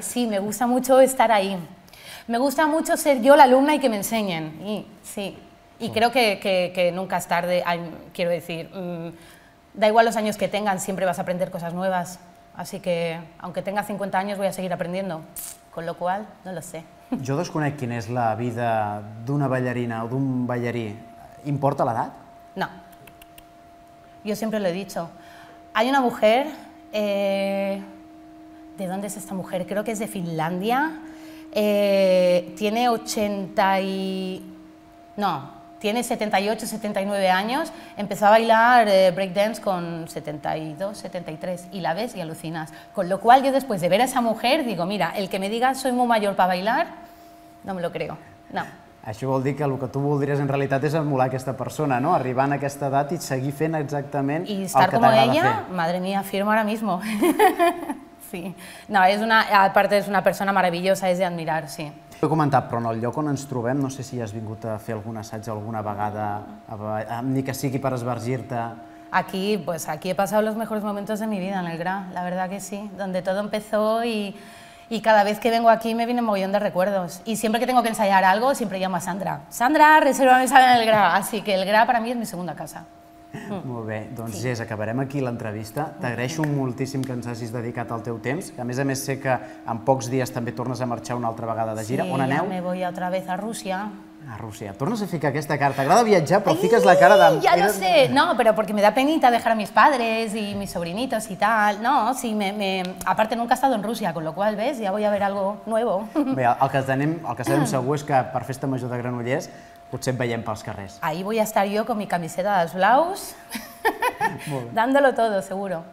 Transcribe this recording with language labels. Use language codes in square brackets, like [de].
[es] Sí, me gusta mucho estar ahí. Me gusta mucho ser yo la alumna y que me enseñen, y, sí. Y creo que nunca es tarde, quiero decir, da igual los años que tengan, siempre vas a aprender cosas nuevas. Así que, aunque tenga 50 años, voy a seguir aprendiendo, con lo cual, no lo sé. [ca] Jo desconec quina és la vida d'una ballarina o d'un ballarí. ¿Importa l'edat? [es] No. Yo siempre lo he dicho. Hay una mujer, ¿de dónde es esta mujer? Creo que es de Finlandia. Tiene 80 y... no, tiene 78, 79 años, empezó a bailar breakdance con 72, 73, y la ves y alucinas. Con lo cual yo después de ver a esa mujer digo, mira, el que me diga soy muy mayor para bailar, no me lo creo, no. [ca] Això vol dir que el que tu voldries en realitat és emular aquesta persona, no? Arribar a aquesta edat i seguir fent exactament el que t'agrada fer. [es] Y estar como ella, madre mía, firmo ahora mismo. [ca] Sí, no, és una, aparte és una persona maravillosa, és d'admirar, sí. He comentat, però en el lloc on ens trobem, no sé si has vingut a fer algun assaig alguna vegada, ni que sigui per esbargir-te. [es] Aquí, pues aquí he pasado los mejores momentos de mi vida, en el Gra, la verdad que sí, donde todo empezó y cada vez que vengo aquí me viene un mogollón de recuerdos. Y siempre que tengo que ensayar algo, siempre llamo a Sandra. Sandra, resérvame en el Gra, así que el Gra para mí es mi segunda casa. [ca] Molt bé, doncs Gés, acabarem aquí l'entrevista. T'agraeixo moltíssim que ens hagis dedicat el teu temps. A més sé que en pocs dies també tornes a marxar una altra vegada de gira. Sí, on aneu? [es] Sí, me voy otra vez a Rusia. [ca] A Rusia. Tornes a ficar aquesta cara. T'agrada viatjar, però fiques la cara de... Ja no sé. No, però perquè [es] me da penita dejar a mis padres y mis sobrinitos y tal. No, sí, aparte nunca he estado en Rusia, con lo cual, ves, ya voy a ver algo nuevo. [ca] Bé, el que sabem segur és que per Festa Major de Granollers potser et veiem pels carrers. [es] Ahí voy a estar yo con mi camiseta de blaus, dándolo todo, seguro.